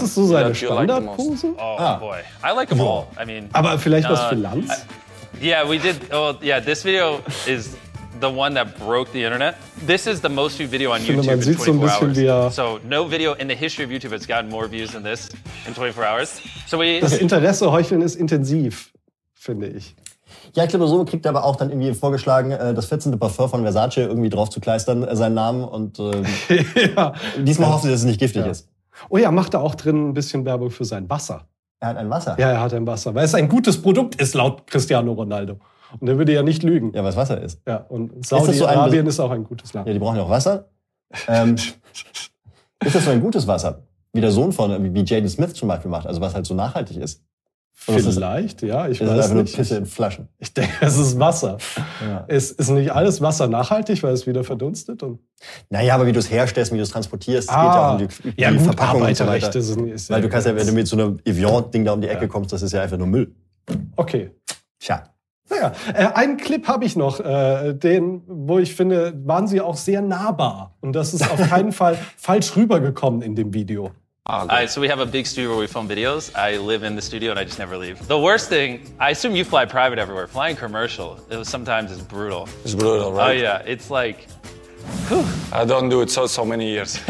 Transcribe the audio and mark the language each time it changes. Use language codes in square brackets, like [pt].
[de] Das ist so seine Standardpose. [en] Oh boy, I like them all. I mean, [de] aber vielleicht was für Lanz? [en] Yeah, we did. Oh well, yeah, this video is the one that broke the internet. This is the most viewed video on YouTube in 24 hours. So no video in the history of YouTube has gotten more views than this in 24 hours. So we. [de] Das Interesse heucheln ist intensiv, finde ich. Ja, ich glaube, so kriegt er aber auch dann irgendwie vorgeschlagen, das 14. Parfum von Versace irgendwie drauf zu kleistern, seinen Namen. Und ja. Diesmal hoffen sie, dass es nicht giftig ist. Oh ja, macht er auch drin ein bisschen Werbung für sein Wasser. Er hat ein Wasser? Ja, er hat ein Wasser, weil es ein gutes Produkt ist, laut Cristiano Ronaldo. Und er würde ja nicht lügen. Ja, weil es Wasser ist. Ja, und Saudi-Arabien ist auch ein gutes Land. Ja, die brauchen ja auch Wasser. ist das so ein gutes Wasser? Wie der Sohn von, wie Jaden Smith zum Beispiel macht, also was halt so nachhaltig ist. Vielleicht, ja, ich weiß nicht. Es ist einfach nur Pisse in Flaschen. Ich denke, es ist Wasser. Ja. Es ist nicht alles Wasser nachhaltig, weil es wieder verdunstet? Und naja, aber wie du es herstellst, wie du es transportierst, geht ja auch um die gut, Verpackung und so weiter. Weil du kannst ja, wenn du mit so einem Evian-Ding da um die Ecke kommst, das ist ja einfach nur Müll. Okay. Tja. Naja, einen Clip habe ich noch, den, wo ich finde, waren sie auch sehr nahbar. Und das ist auf keinen Fall falsch rübergekommen in dem Video. [en] Oh, so we have a big studio where we film videos. I live in the studio and I just never leave. The worst thing, I assume you fly private everywhere. Flying commercial, sometimes is brutal. It's brutal, right? Oh, yeah. It's like... Whew. I don't do it so many years.